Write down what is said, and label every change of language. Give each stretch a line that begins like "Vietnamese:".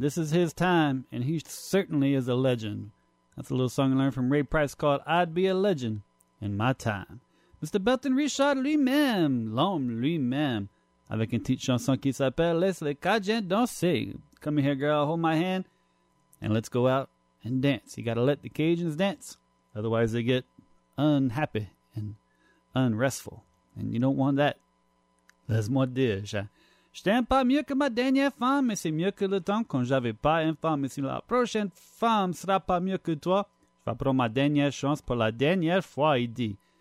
English: This is his time, and he certainly is a legend. That's a little song I learned from Ray Price called I'd Be a Legend in My Time. Mr.
French: Belton Richard lui-même, l'homme lui-même, avec une petite chanson qui s'appelle Laisse-les quatre gens danser.
English: Come here, girl, hold my hand, and let's go out and dance. You gotta let the Cajuns dance, otherwise they get unhappy and unrestful, and you don't want that.
French: Laisse-moi dire, ja. Je t'aime pas mieux que ma dernière femme, mais c'est mieux que le temps quand j'avais pas une femme. Et si la prochaine femme sera pas mieux que toi, je vais prendre ma dernière chance pour la dernière fois, il dit.